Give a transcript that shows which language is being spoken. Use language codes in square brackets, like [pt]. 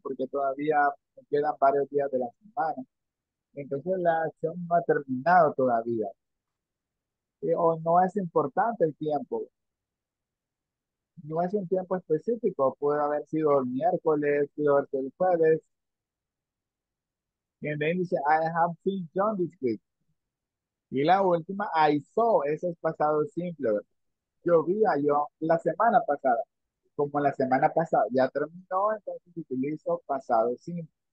[es] Porque todavía quedan varios días de la semana. Entonces la acción no ha terminado todavía. O no es importante el tiempo. No es un tiempo específico. Puede haber sido el miércoles, puede haber sido el jueves. Y [en] then [es] dice, [en] I have seen John this week. [es] Y la última, [en] I saw, [es] ese es pasado simple. Yo vi a John la semana pasada. Como la semana pasada ya terminó, entonces utilizo pasado simple.